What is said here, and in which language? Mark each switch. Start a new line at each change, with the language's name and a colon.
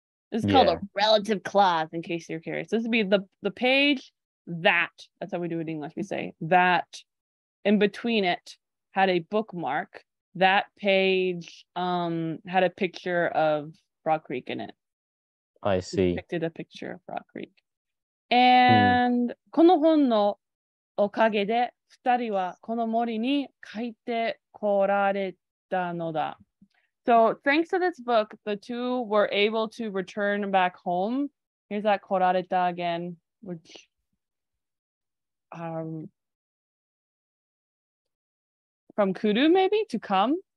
English: This is called a relative clause, in case you're curious. This would be the page that's how we do it in English. We say that in between it had a bookmark. That page had a picture of Frog Creek in it. I see. It depicted a picture of Frog Creek.
Japanese: And この本のおかげで二人はこの森に帰ってこられたのだ。
English: So thanks to this book, the two were able to return back home. Here's that こられた again, which from kuru maybe to come.